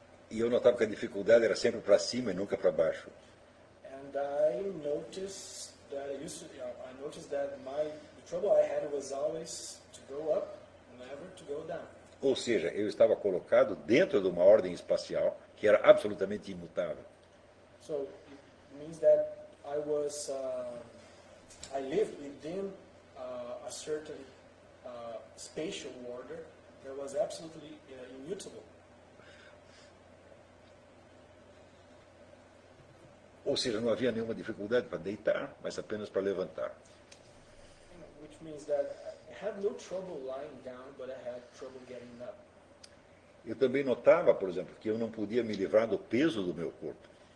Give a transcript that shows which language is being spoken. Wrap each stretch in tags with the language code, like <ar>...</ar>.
<pt>E eu notava que a dificuldade era sempre para cima e nunca para baixo.</pt> <en>And I noticed that the trouble I had was always to go up, never to go down.</en> <pt>Ou seja, eu estava colocado dentro de uma ordem espacial que era absolutamente imutável.</pt> <en>So, it means that I was I lived within a certain spatial order that was absolutely immutable.</en> <pt>Ou seja, não havia nenhuma dificuldade para deitar, mas apenas para levantar.</pt> <en>Which means that I had no trouble lying down, but I had trouble getting up.</en> <pt>Eu também notava, por exemplo, que eu não podia me livrar do peso do meu corpo.</pt>